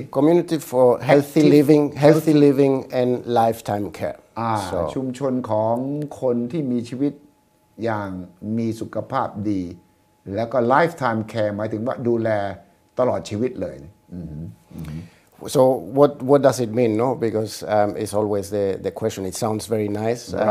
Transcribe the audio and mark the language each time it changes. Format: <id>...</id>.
<en>Community for healthy living, healthy living and lifetime care.</en> <th>ชุมชนของคนที่มีชีวิตอย่างมีสุขภาพดีแล้วก็ lifetime care หมายถึงว่าดูแลตลอดชีวิตเลย</th> <en>So what does it mean no because it's always the question it sounds very nice</en>